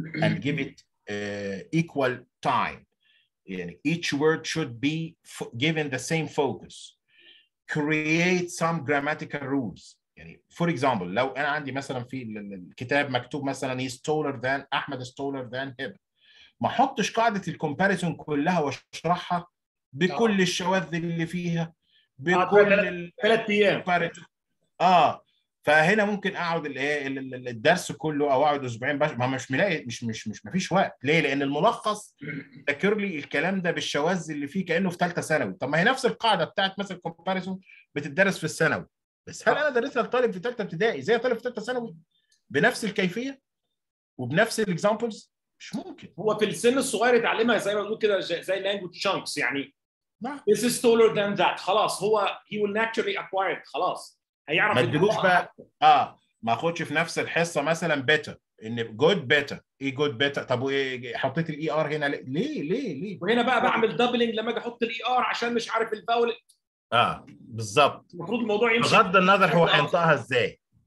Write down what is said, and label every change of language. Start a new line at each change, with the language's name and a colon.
English: And give it equal time. Each word should be given the same focus. Create some grammatical rules. For example,
Arabic: لو أنا عندي مثلاً في الكتاب مكتوب مثلاً
English: he's taller than, Ahmed is taller than him.
Arabic: ما حطش قاعدة الكمباريسون كلها واشرحها بكل الشواذ اللي فيها. ثلاث أيام. فهنا ممكن أقعد الدرس كله أو أقعد أسبوعين ما مش ملاقي مش مش مش ما فيش وقت. ليه؟ لأن الملخص ذكر لي الكلام ده بالشواذ اللي فيه كأنه في ثالثة ثانوي. طب ما هي نفس القاعدة بتاعت مثلا كومباريسون بتدرس في الثانوي. بس هل أنا درسها لطالب في ثالثة ابتدائي زي طالب في ثالثة ثانوي؟ بنفس الكيفية وبنفس الإكزامبلز؟ مش ممكن. هو في السن الصغير يتعلمها زي ما بنقول كده زي language chunks يعني.
English: This is taller than that.
Arabic: خلاص هو
English: he will naturally acquire it.
Arabic: خلاص. ما تدلوش بقى ما اخدش في نفس الحصه مثلا بيتر ان جود بيتر ايه جود بيتر طب وايه حطيت الاي ار هنا ليه ليه ليه وهنا بقى بعمل دبلنج لما اجي احط الاي ار عشان مش عارف الفاول بالظبط المفروض الموضوع يمشي بغض النظر هو هينطقها ازاي